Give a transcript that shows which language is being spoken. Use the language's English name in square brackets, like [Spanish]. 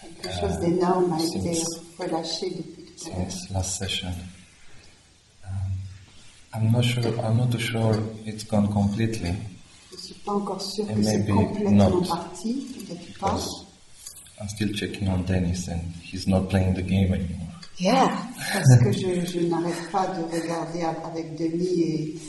[French] Quelque chose d'énorme a été relâché depuis tout à l'heure. [English] Since last session. I'm not sure it's gone completely. [French] Je ne suis pas encore sûr que c'est complètement parti, peut-être pas. [English] I'm still checking on Dennis, and he's not playing the game anymore. Yeah, [French] parce que je n'arrête pas de regarder avec Denis et